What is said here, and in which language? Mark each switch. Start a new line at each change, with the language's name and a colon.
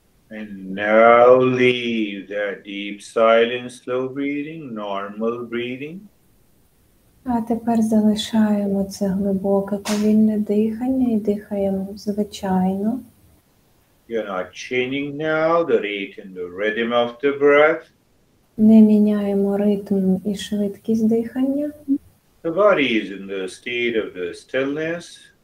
English: And now leave that deep silence, slow breathing, normal breathing.
Ukrainian: А тепер залишаємо це глибоке повільне дихання і дихаємо звичайно.
English: You're not changing now the rate and the rhythm of the breath.
Ukrainian: Не міняємо ритм і швидкість дихання.
English: The body is in the state of the stillness.